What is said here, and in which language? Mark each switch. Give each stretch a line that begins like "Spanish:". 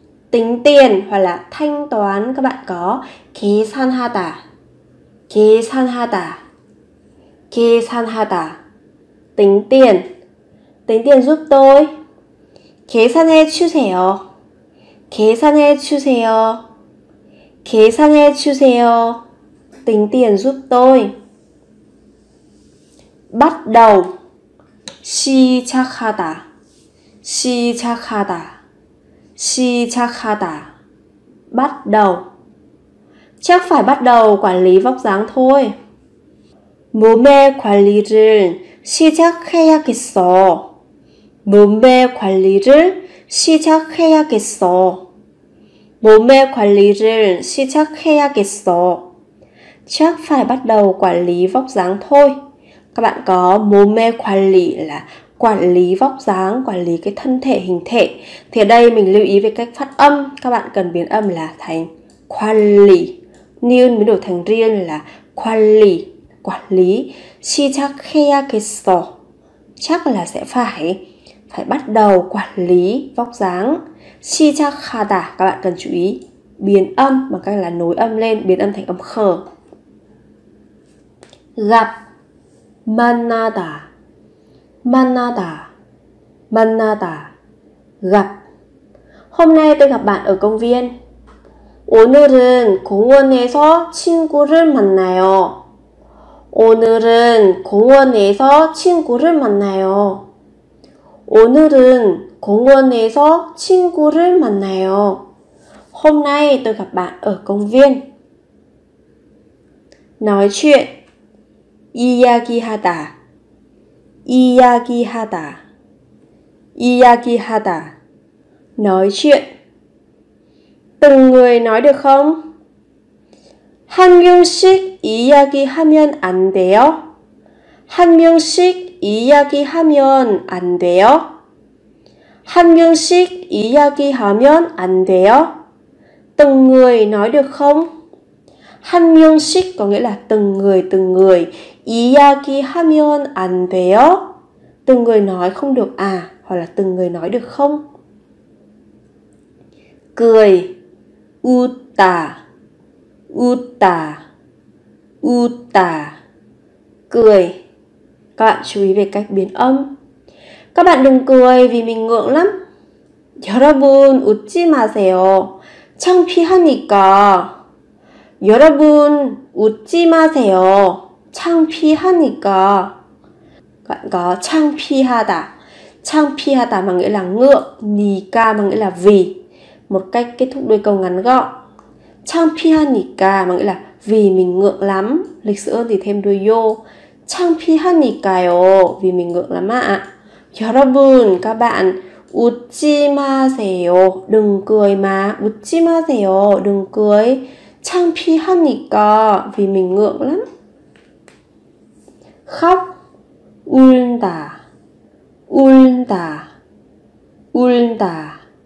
Vietnamese: Tính tiền hoặc là thanh toán các bạn có
Korean: 계산하다, 계산하다, 계산하다.
Vietnamese: Tính tiền, tính tiền giúp tôi.
Korean: 계산해 주세요, 계산해 주세요, 계산해 주세요.
Vietnamese: Tính tiền giúp tôi. Bắt đầu,
Korean: 시작하다, 시작하다, 시작하다.
Vietnamese: Bắt đầu, chắc phải bắt đầu quản lý vóc dáng thôi.
Korean: 몸의 관리를 시작해야겠어, 몸의 관리를 시작해야겠어, 몸의 관리를 시작해야겠어.
Vietnamese: Chắc phải bắt đầu quản lý vóc dáng thôi. Các bạn có
Korean: 몸의 관리
Vietnamese: là quản lý vóc dáng, quản lý cái thân thể, hình thể. Thì ở đây mình lưu ý về cách phát âm, các bạn cần biến âm là thành 관리, niên mới đổi thành riêng là 관리, quản lý.
Korean: 시작해야겠어,
Vietnamese: chắc là sẽ phải, phải bắt đầu quản lý vóc dáng.
Korean: 시작하다,
Vietnamese: các bạn cần chú ý biến âm bằng cách là nối âm lên, biến âm thành âm khờ. Gặp,
Korean: 만나다, 만나다, 만나다.
Vietnamese: Gặp, hôm nay tôi gặp bạn ở công viên.
Korean: 오늘은 공원에서 친구를 만나요, 오늘은 공원에서 친구를 만나요, 오늘은 공원에서 친구를 만나요.
Vietnamese: Hôm nay tôi gặp bạn ở công viên. Nói chuyện,
Korean: 이야기하다, 이야기하다, 이야기하다.
Vietnamese: Nói chuyện, từng người nói được không?
Korean: 한 명씩 이야기하면 안 돼요? 한 명씩 이야기하면 안 돼요? 한 명씩 이야기하면 안 돼요?
Vietnamese: Từng người nói được không?
Korean: 한 명씩
Vietnamese: có nghĩa là từng người, từng người.
Korean: 이야기하면 안 돼요?
Vietnamese: Từng người nói không được à? Hoặc là từng người nói được không? Cười,
Korean: 웃다, 웃다, 웃다.
Vietnamese: Cười, các bạn chú ý về cách biến âm. Các bạn đừng cười vì mình ngượng lắm.
Korean: 여러분 웃지 마세요, 창피하니까. 여러분 웃지 마세요, 창피하니까.
Vietnamese: Các bạn có 창피하다, 창피하다 mà nghĩa là ngượng, 니까 mà nghĩa là vì. Một cách kết thúc đuôi câu ngắn gọn,
Korean: 창피하니까
Vietnamese: mà nghĩa là vì mình ngượng lắm. Lịch sự hơn thì thêm đuôi yo,
Korean: 창피하니까요,
Vietnamese: vì mình ngượng lắm ạ.
Korean: 여러분,
Vietnamese: các bạn,
Korean: 웃지 마세요,
Vietnamese: đừng cười mà.
Korean: 웃지 마세요,
Vietnamese: đừng cười.
Korean: 창피하니까,
Vietnamese: vì mình ngượng lắm. Khóc,
Korean: 울다, 울다, 울다.